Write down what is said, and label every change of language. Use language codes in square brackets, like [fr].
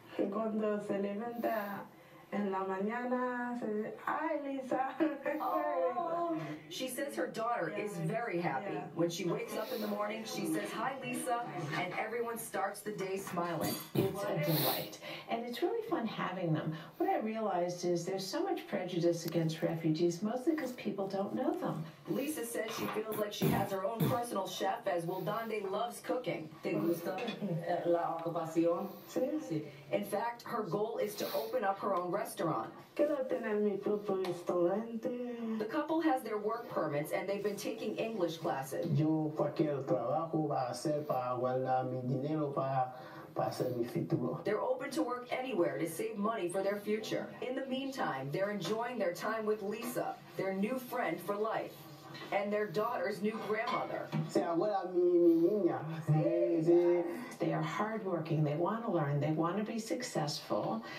[es] Cuando se levanta en la mañana, se dice, ay, Lisa. [en] Oh. She says her daughter is very happy. Yeah. When she wakes up in the morning, she says, hi, Lisa, and everyone starts the day smiling. It's a delight. And it's really fun having them. What I realized is there's so much prejudice against refugees, mostly because people don't know them. Lisa says she feels like she has her own personal chef, as Wildande loves cooking. [es] ¿Te gusta la ocupación? Sí, sí. [en] In fact, her goal is to open up her own restaurant. [es] Quiero tener mi propio restaurante. [en] The couple has their work permits, and they've been taking English classes. [es] Yo cualquier trabajo va a hacer para guardar mi dinero para... [en] They're open to work anywhere to save money for their future. In the meantime, they're enjoying their time with Lisa, their new friend for life, and their daughter's new grandmother. They are hardworking. They want to learn. They want to be successful.